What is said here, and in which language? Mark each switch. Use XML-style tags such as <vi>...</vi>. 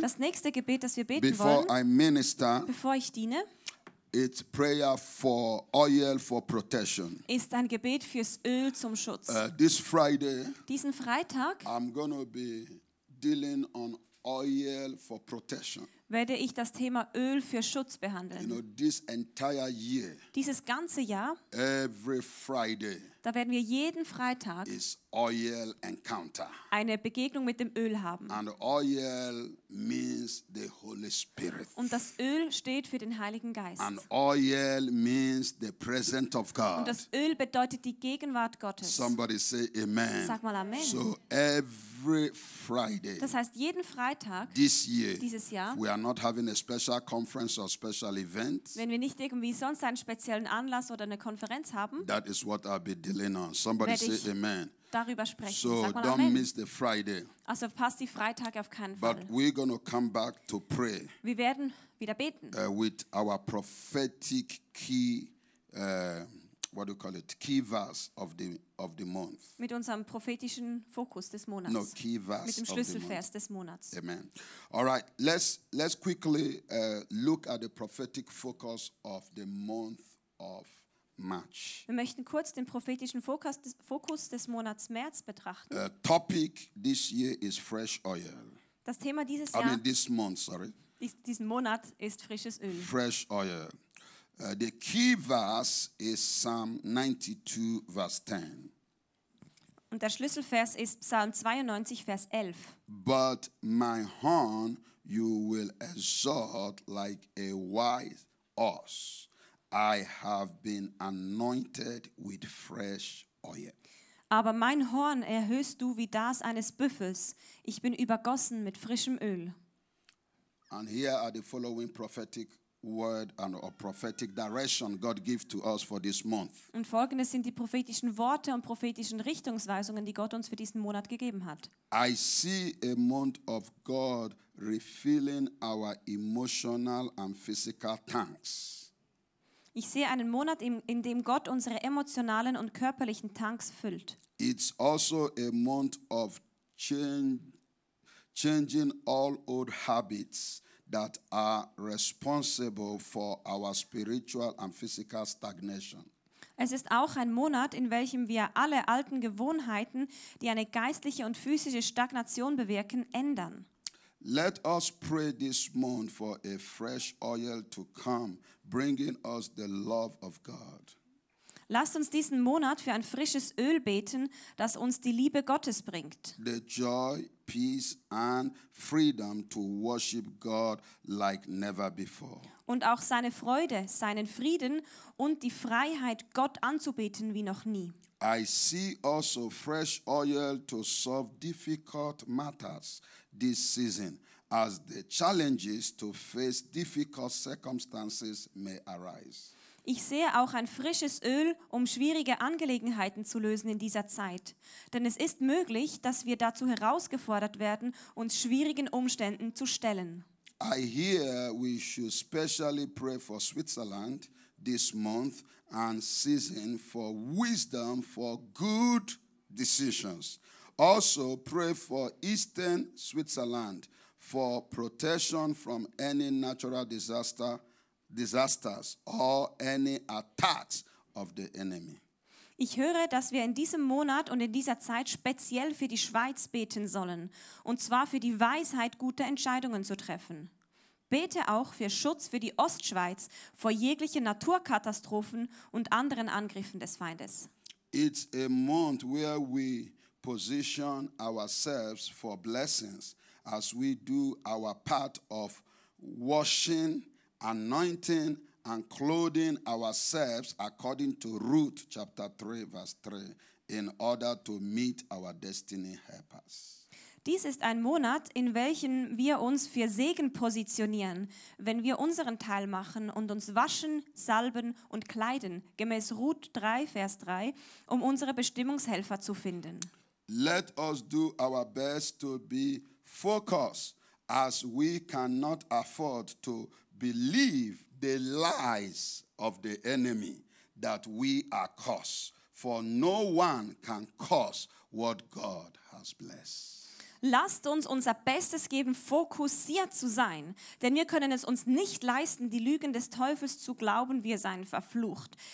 <de>das nächste Gebet, das wir beten</de> <en>before</en> <de>wollen,</de> <en>I minister,</en> <de>bevor ich diene,</de> <en>it's prayer for oil for protection.</en> <de>Ist ein Gebet fürs Öl zum Schutz.</de> <en>This Friday,</en> <de>diesen Freitag,</de> <en>I'm gonna be dealing on oil for protection.</en> <de>Werde ich das Thema Öl für Schutz behandeln.</de> <en>You know, this entire year,</en> <de>dieses ganze Jahr,</de> <en>every Friday,</en> <de>da werden wir jeden Freitag</de> <en>is oil encounter.</en> <de>Eine Begegnung mit dem Öl haben.</de> <en>And oil means the Holy Spirit.</en> <de>Und das Öl steht für den Heiligen Geist.</de> <en>And oil means the presence of God.</en> <de>Und das Öl bedeutet die Gegenwart Gottes.</de> <en>Somebody say amen.</en> <de>Sag mal Amen.</de> <en>So every Friday,</en> <de>das heißt jeden Freitag</de> <en>this year,</en> <de>dieses Jahr,</de> <en>we are not having a special conference or special event.</en> <de>Wenn wir nicht irgendwie sonst einen speziellen Anlass oder eine Konferenz haben,</de> <en>that is what I'll be dealing on. Somebody say amen.</en> <de>Darüber sprechen.</de> <en>So</en> <de>sag mal</de> <en>don't</en> <de>amen.</de> <en>Miss the Friday.</en> <de>Also passt die Freitage auf keinen Fall.</de> <en>But we're gonna come back to pray.</en> <de>Wir werden wieder beten.</de> <en>With our prophetic key, what do you call it? Key verse of the month.</en> <de>Mit unserem prophetischen Fokus des Monats.</de> <en>No, key verse.</en> <de>Mit dem Schlüsselvers des Monats.</de> <en>Amen. All right, let's quickly look at the prophetic focus of the month of March.</en> <de>Wir möchten kurz den prophetischen Fokus des Monats März betrachten.</de> <en>Topic this year is fresh oil.</en> <de>Das Thema dieses Jahr, diesen Monat ist frisches Öl.</de> <en>Fresh oil. The key verse is Psalm 92, verse 10.</en> <de>Und der Schlüsselvers ist Psalm 92, Vers 11.</de> <en>But my horn you will exalt like a wise ox. I have been anointed with fresh oil.</en> <de>Aber mein Horn erhöhst du wie das eines Büffels. Ich bin übergossen mit frischem Öl.</de> <en>And here are the following prophetic word and a prophetic direction God gives to us for this month.</en> <de>Und folgendes sind die prophetischen Worte und prophetischen Richtungsweisungen, die Gott uns für diesen Monat gegeben hat.</de> <en>I see a month of God refilling our emotional and physical tanks.</en> <de>Ich sehe einen Monat, in dem Gott unsere emotionalen und körperlichen Tanks füllt.</de> <en>It's also a month of changing all old habits that are responsible for our spiritual and physical stagnation.</en> <de>Es ist auch ein Monat, in welchem wir alle alten Gewohnheiten, die eine geistliche und physische Stagnation bewirken, ändern.</de> <en>Let us pray this month for a fresh oil to come, bringing us the love of God.</en> <de>Lasst uns diesen Monat für ein frisches Öl beten, das uns die Liebe Gottes bringt.</de> <en>The joy, peace and freedom to worship God like never before.</en> <de>Und auch seine Freude, seinen Frieden und die Freiheit, Gott anzubeten wie noch nie.</de> <en>I see also fresh oil to solve difficult matters this season, as the challenges to face difficult circumstances may arise.</en> <de>Ich sehe auch ein frisches Öl, um schwierige Angelegenheiten zu lösen in dieser Zeit. Denn es ist möglich, dass wir dazu herausgefordert werden, uns schwierigen Umständen zu stellen.</de> <en>I hear we should specially pray for Switzerland this month and season for wisdom for good decisions. Also pray for Eastern Switzerland for protection from any natural disasters or any attacks of the enemy.</en> <de>Ich höre, dass wir in diesem Monat und in dieser Zeit speziell für die Schweiz beten sollen, und zwar für die Weisheit, gute Entscheidungen zu treffen. Bete auch für Schutz für die Ostschweiz vor jeglichen Naturkatastrophen und anderen Angriffen des Feindes.</de> <en>It's a month where we position ourselves for blessings as we do our part of washing, anointing and clothing ourselves according to Ruth chapter 3 verse 3 in order to meet our destiny helpers.</en> <de>Dies ist ein Monat, in welchem wir uns für Segen positionieren, wenn wir unseren Teil machen und uns waschen, salben und kleiden gemäß Ruth 3 Vers 3, um unsere Bestimmungshelfer zu finden.</de> <en>Let us do our best to be focused, as we cannot afford to believe the lies of the enemy that we are cursed, for no one can curse what God has blessed.</en> <de>Lasst uns unser Bestes geben, fokussiert zu sein, denn wir können es uns nicht leisten, die Lügen des Teufels zu glauben, wir seien verflucht.</de>